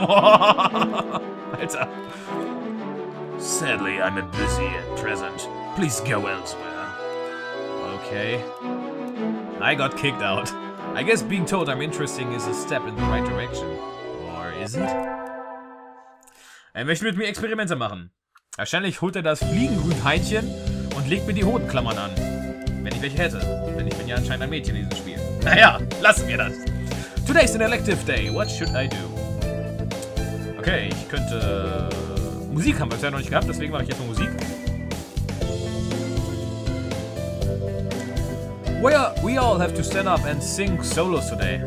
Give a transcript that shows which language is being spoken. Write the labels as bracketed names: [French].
[German] Alter. [English] Sadly, I'm a busy at present. Please go elsewhere. Okay. I got kicked out. I guess being told I'm interesting is a step in the right direction. Or is it? [German] Er möchte mit mir Experimente machen. Wahrscheinlich holt er das Fliegengrünheitchen und legt mir die Hodenklammern an. Wenn ich welche hätte. Denn ich bin ja anscheinend ein Mädchen in diesem Spiel. Naja, lassen wir das. [English] Today's an elective day. What should I do? [German] Okay, ich könnte... Musik haben wir bisher noch nicht gehabt, deswegen mache ich jetzt mal Musik. [English] We all have to stand up and sing solos today.